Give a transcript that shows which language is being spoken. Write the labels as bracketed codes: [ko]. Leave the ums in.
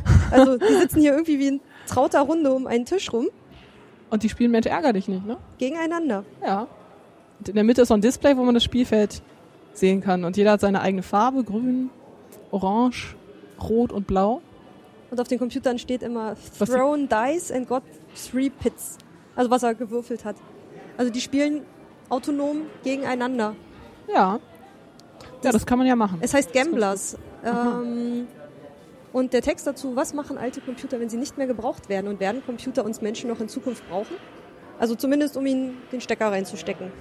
[de] Also die sitzen hier irgendwie wie in trauter Runde um einen Tisch rum, Und die spielen Mensch ärger dich nicht, ne? gegeneinander. Ja. Und in der Mitte ist so ein Display, wo man das Spielfeld sehen kann. Und jeder hat seine eigene Farbe, grün, orange, rot und blau. Und auf den Computern steht immer Was die- [en] Thrown Dice and got three pits. [de] Also was er gewürfelt hat. Also die spielen autonom gegeneinander. Ja. Ja, das kann man ja machen. Es heißt Gamblers. Ähm, und der Text dazu, was machen alte Computer, wenn sie nicht mehr gebraucht werden? Und werden Computer uns Menschen noch in Zukunft brauchen? Also zumindest, um ihnen den Stecker reinzustecken.